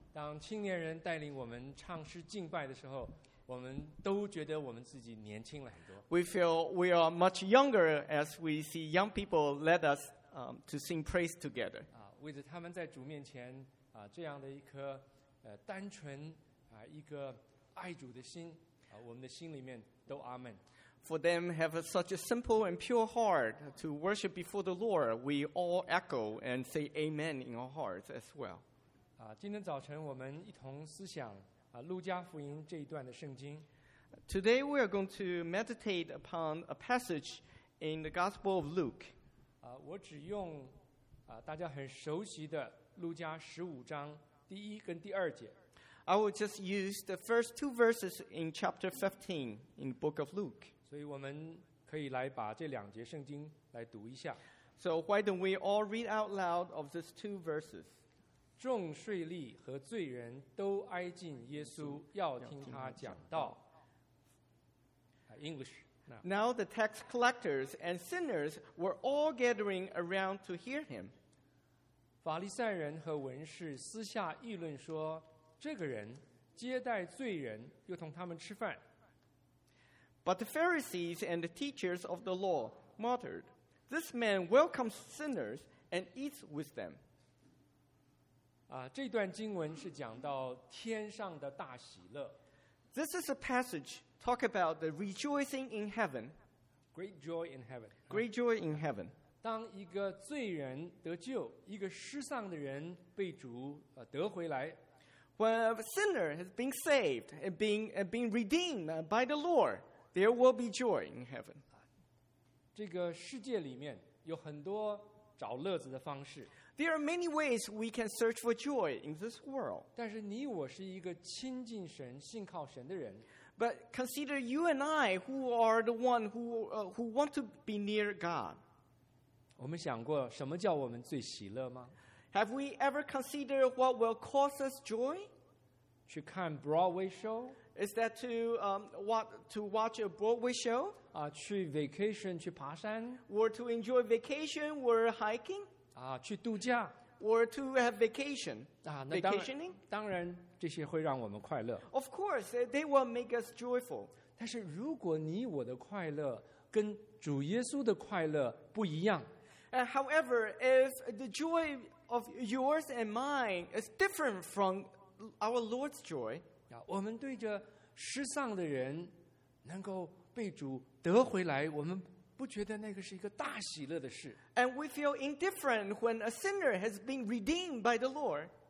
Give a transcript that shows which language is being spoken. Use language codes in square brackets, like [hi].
[zh] 当青年人带领我们唱诗敬拜的时候，我们都觉得我们自己年轻了很多。 [en] We feel we are much younger as we see young people led us to sing praise together. [zh] 为着他们在主面前这样的一颗单纯一个爱主的心我们的心里面都阿门。 [en] For them have a, such a simple and pure heart to worship before the Lord, we all echo and say amen in our hearts as well. [zh] 今天早晨我们一同思想路加福音这一段的圣经。 [en] Today we are going to meditate upon a passage in the Gospel of Luke. [zh] 我只用大家很熟悉的路加十五章第一跟第二节。 [en] I will just use the first two verses in chapter 15 in the book of Luke. [zh] 所以我们可以来把这两节圣经来读一下。 [en] So why don't we all read out loud of these two verses? [zh] 众税吏和罪人都挨近耶稣，要听他讲道。 [en] English. Now the tax collectors and sinners were all gathering around to hear him. [zh] 法利赛人和文士私下议论说这个人接待罪人，又同他们吃饭。 [en] But the Pharisees and the teachers of the law muttered, "This man welcomes sinners and eats with them." [zh] 这段经文是讲到天上的大喜乐。 [en] This is a passage talk about the rejoicing in heaven. Great joy in heaven. Great joy in heaven. [zh] 当一个罪人得救，一个失丧的人被主得回来。 [en] When a sinner has been saved and been redeemed by the Lord, there will be joy in heaven. [zh] 这个世界里面有很多找乐子的方式。 [en] There are many ways we can search for joy in this world. [zh] 但是你我是一个亲近神、信靠神的人。 [en] But consider you and I who are the one who want to be near God. [zh] 我们想过什么叫我们最喜乐吗？ [en] Have we ever considered what will cause us joy? [zh] 去看 [en] Broadway show? Is that to watch a Broadway show? [zh] 去 vacation, 去爬山? [en] Or to enjoy vacation or hiking? [zh] 去度假? [en] Or to have vacation? [zh] 那当然, [en] vacationing? [zh] 当然这些会让我们快乐。 [en] Of course, they will make us joyful. [zh] 但是如果你我的快乐跟主耶稣的快乐不一样, [en] However, if the joy of yours and mine is different from our Lord's joy. [zh] 我们对着失丧的人能够被主得回来，我们不觉得那个是一个大喜乐的事。 [en] And we feel indifferent when a sinner has been redeemed by the Lord.